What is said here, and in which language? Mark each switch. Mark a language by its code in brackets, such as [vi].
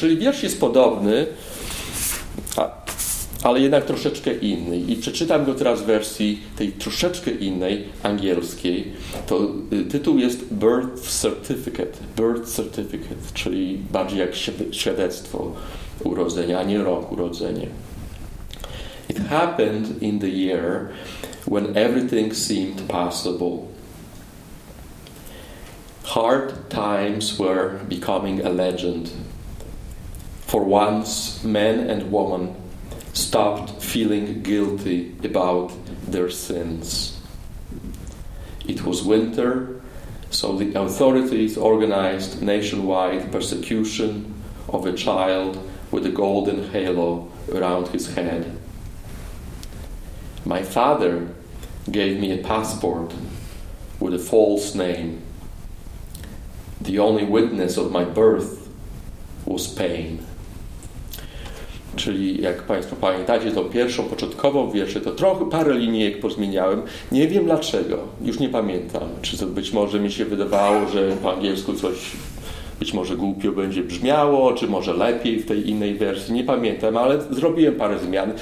[pl] Czyli wiersz jest podobny, ale jednak troszeczkę inny. I przeczytam go teraz w wersji tej troszeczkę innej, angielskiej. To tytuł jest Birth Certificate, czyli bardziej jak świadectwo urodzenia, a nie rok urodzenia. [en] It happened in the year when everything seemed possible. Hard times were becoming a legend. For once, men and women stopped feeling guilty about their sins. It was winter, so the authorities organized nationwide persecution of a child with a golden halo around his head. My father gave me a passport with a false name. The only witness of my birth was pain. [pl] Czyli jak Państwo pamiętacie, tą pierwszą, początkową wierszę, to trochę parę linijek pozmieniałem. Nie wiem dlaczego, już nie pamiętam. Czy to być może mi się wydawało, że po angielsku coś być może głupio będzie brzmiało, czy może lepiej w tej innej wersji, nie pamiętam, ale zrobiłem parę zmian.